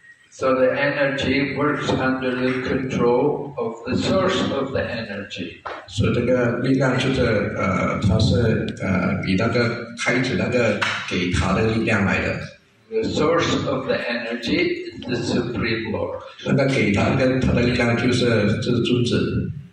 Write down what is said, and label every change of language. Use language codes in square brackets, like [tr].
[en] So the energy works under the control of the source of the energy. [zh] So 这个力量就是它是以那个开始那个给它的力量来的。 [en] The source of the energy is the Supreme Lord. [zh] 那个给他的力量就是这个主旨。